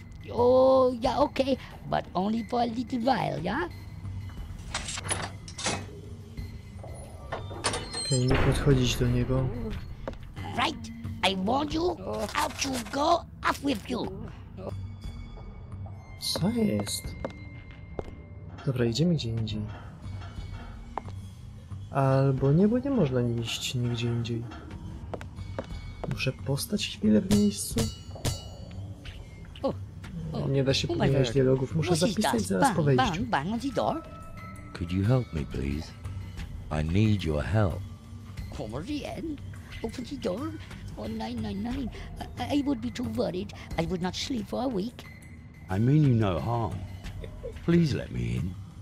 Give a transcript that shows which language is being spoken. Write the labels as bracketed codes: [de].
[en] Oh, yeah, okay, but only for a little while, yeah? Can you [pl] podchodzić do niego? [en] Right, I warned you, out you go, off with you! [pl] Co jest? Dobra, idziemy gdzie indziej. Albo nie, bo nie można iść nigdzie indziej. Muszę postać chwilę w miejscu? Nie da się pomijać dialogów. Muszę zapisać zaraz po wejściu. [en] Bang, bang on the door. Could you help me, please? I need your help. Come again? Open the door? Oh, 999. I would be too worried. I would not sleep for a week. I mean you no harm. Please let me in.